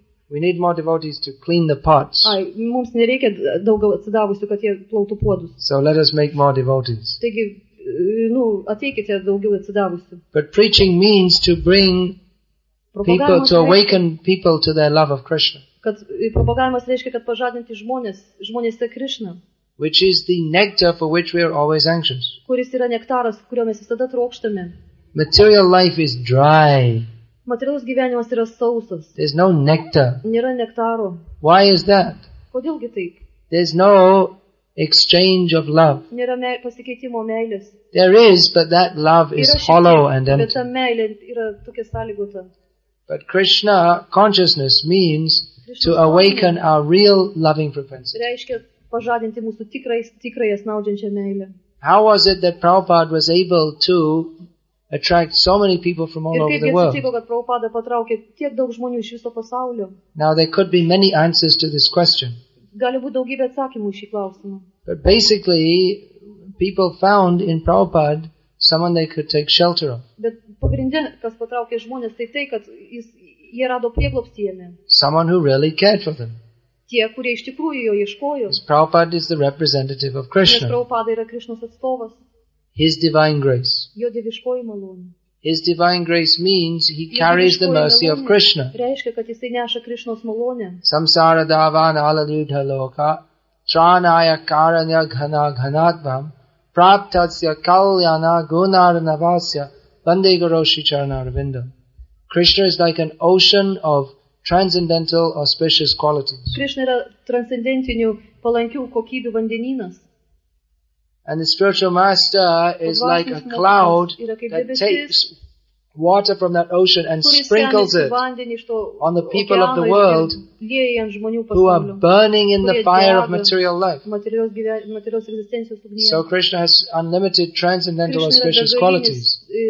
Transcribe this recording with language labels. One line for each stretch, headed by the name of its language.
English: We need more devotees to clean the pots.
Lithuanian: Ai, mums nereikia daugiau atsidavusių, kad jie plautų puodus.
English: So let us make more devotees.
Lithuanian: Taigi, nu, ateikite daugiau atsidavusių.
English: But preaching means to bring people to awaken people to their love of Krishna.
Lithuanian: Kad propagavimas reiškia, kad pažadinti žmonės tą Krishna.
English: Which is the nectar for which we are always anxious.
Lithuanian: Kuris yra nektaras, kurio mes visada trokštame.
English: Material life is dry.
Lithuanian: Materialus gyvenimas yra sausas.
English: There's no nectar.
Lithuanian: Nėra nektaro.
English: Why is that?
Lithuanian: Kodėlgi taip?
English: There's no exchange of love.
Lithuanian: Nėra pasikeitimo meilės.
English: There is, but that love is hollow and empty.
Lithuanian: Bet ta meilė yra tokia sąlygota.
English: But Krishna consciousness means to awaken our real loving propensity.
Lithuanian: Reiškia pažadinti mūsų tikrąją snaudžiančią meilę.
English: How was it that Prabhupada was able to attract so many people from all over the world?
Lithuanian: Ir kaip jis atsitiko, kad Prabhupada patraukė tiek daug žmonių iš viso pasaulio?
English: Now there could be many answers to this question.
Lithuanian: Gali būti daugybė atsakymų šį klausimą.
English: But basically, people found in Prabhupada someone they could take shelter of.
Lithuanian: Bet pagrinde, kas patraukė žmonės, tai, kad jie rado prieglobstį jame.
English: Someone who really cared for them.
Lithuanian: Tie, kurie iš tikrųjų jo ieškojo.
English: Prabhupada is the representative of Krishna.
Lithuanian: Nes Prabhupada yra Krishnos atstovas.
English: His divine grace.
Lithuanian: Jo dieviškoji malonė.
English: His divine grace means he carries the mercy of Krishna.
Lithuanian: Reiškia, kad jisai neša Krishnos malonę.
Sanskrit: Samsara davana alaludha loka tranaya karanya ghana ghanatvam praptasya kalyana gunar navasya vande guru shri charanarvinda.
English: Krishna is like an ocean of transcendental auspicious qualities.
Lithuanian: Krishna yra transcendentinių palankių kokybių vandenynas.
English: And the spiritual master is like a cloud that takes water from that ocean and sprinkles it on the people of the world who are burning in the fire of material life. So Krishna has unlimited transcendental auspicious qualities.